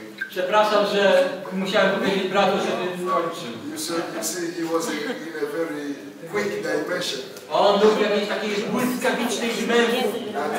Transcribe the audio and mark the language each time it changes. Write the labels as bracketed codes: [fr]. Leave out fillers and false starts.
[pl] Przepraszam, że musiałem powiedzieć bratu, żeby skończył. [en] You see, he was in a very quick dimension. [pl] On był w jakiejś takiej błyskawicznej dimensji.